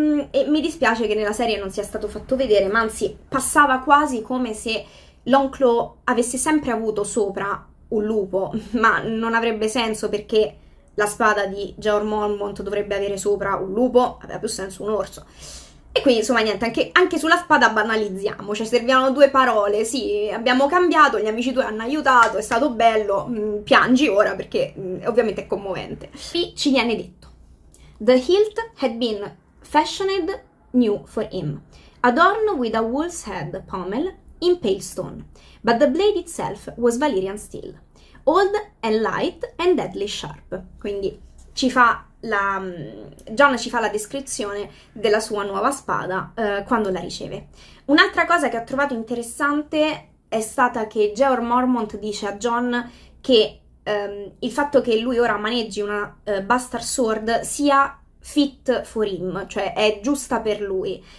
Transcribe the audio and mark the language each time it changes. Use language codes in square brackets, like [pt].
[it] E mi dispiace che nella serie non sia stato fatto vedere, ma anzi passava quasi come se Longclaw avesse sempre avuto sopra un lupo, ma non avrebbe senso perché la spada di Jeor Mormont dovrebbe avere sopra un lupo, aveva più senso un orso. E quindi, insomma, niente, anche sulla spada banalizziamo, cioè servivano due parole, sì, abbiamo cambiato, gli amici tuoi hanno aiutato, è stato bello, piangi ora perché ovviamente è commovente. Qui ci viene detto: [en] The hilt had been fashioned new for him, adorned with a wolf's head pommel in pale stone, but the blade itself was Valyrian steel, old and light and deadly sharp. [it] Quindi ci fa John ci fa la descrizione della sua nuova spada quando la riceve. Un'altra cosa che ho trovato interessante è stata che Jeor Mormont dice a John che il fatto che lui ora maneggi una Bastard Sword sia [en] fit for him, [it] cioè è giusta per lui.